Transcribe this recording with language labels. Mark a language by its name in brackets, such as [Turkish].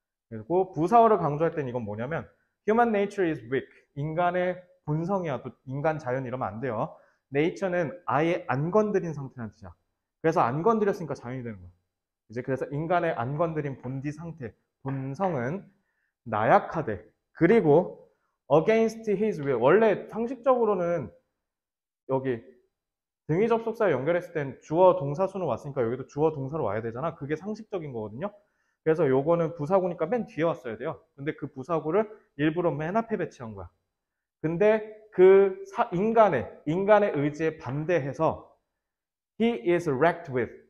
[Korean] 그리고 부사어를 강조할 땐 이건 뭐냐면 [English] Human nature is weak. [Korean] 인간의 본성이야. 또 인간 자연 이러면 안 돼요. Nature는 아예 안 건드린 상태라는 뜻이야. 그래서 안 건드렸으니까 자연이 되는 거야. 이제 그래서 인간의 안 건드린 본디 상태, 본성은 나약하대. [English] 그리고 against his will. [Korean] 원래 상식적으로는 여기 등위 접속사에 연결했을 땐 주어 동사수는 왔으니까 여기도 주어 동사로 와야 되잖아. 그게 상식적인 거거든요. 그래서 요거는 부사구니까 맨 뒤에 왔어야 돼요. 근데 그 부사구를 일부러 맨 앞에 배치한 거야. 근데 그 인간의 의지에 반대해서 [English] He is wrecked with.